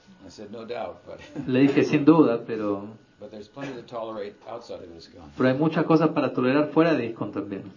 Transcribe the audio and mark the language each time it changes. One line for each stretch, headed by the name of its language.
English: I said, no doubt, but
Spanish: le dije, sin duda, pero
English: but there's plenty to tolerate outside of ISKCON.
Spanish: Pero hay muchas cosas para tolerar fuera de ISKCON también.